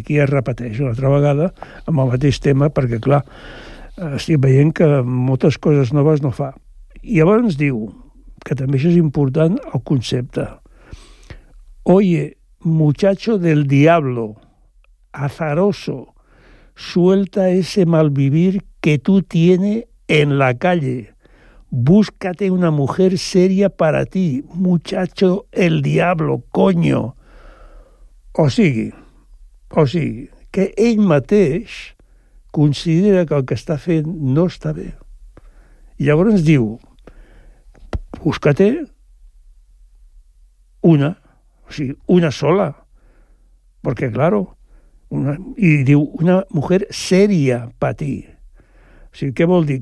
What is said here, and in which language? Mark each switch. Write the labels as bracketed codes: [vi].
[ca] Aquí es repeteix una altra vegada amb el mateix tema, perquè, clar, estic veient que moltes coses noves no fa. I llavors diu, que també això és important, el concepte. [es] Oye, muchacho del diablo, azaroso, suelta ese malvivir que tú tienes en la calle. Búscate una mujer seria para ti, muchacho el diablo, coño. [ca] O sigui, que ell mateix considera que el que està fent no està bé. I llavors diu, [es] búscate una, [ca] o sigui, una sola, perquè, claro, una, i diu, [es] una mujer seria para ti. [ca] O sigui, què vol dir?